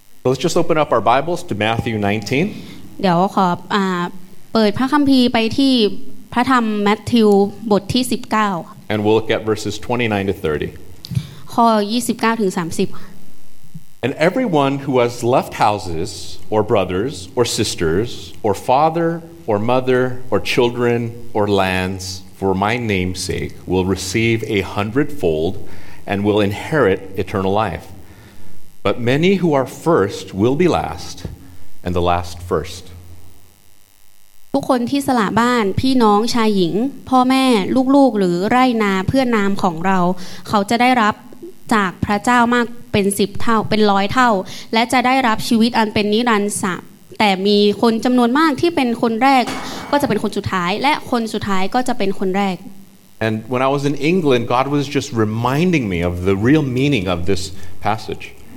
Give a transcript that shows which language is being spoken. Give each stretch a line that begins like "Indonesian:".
English: Let's just open up our Bibles to Matthew 19
Thai: เดี๋ยวขอเปิดพระคัมภีร์ไปที่พระธรรมมัทธิวบทที่19
English: And we'll look at verses 29 to 30
Thai: ข้อ29ถึง30
English: And everyone who has left houses, or brothers, or sisters, or father, or mother, or children, or lands, for my name's sake, will receive a hundredfold and will inherit eternal life. But many who are first will be last, and the last first.
Thai: ทุกคนที่สละบ้านพี่น้องชายหญิงพ่อแม่ลูกๆหรือไร่นาเพื่อนามของเราเขาจะได้รับจากพระเจ้ามากเป็น10เท่าเป็น100เท่าและจะได้รับชีวิตอันเป็นนิรันดร์สแต่มีคนจำนวนมากที่เป็นคนแรกก็จะเป็นคนสุดท้ายและคนสุดท้ายก็จะเป็นคนแรก
English: And when I was in England God was just reminding me of the real meaning of this passage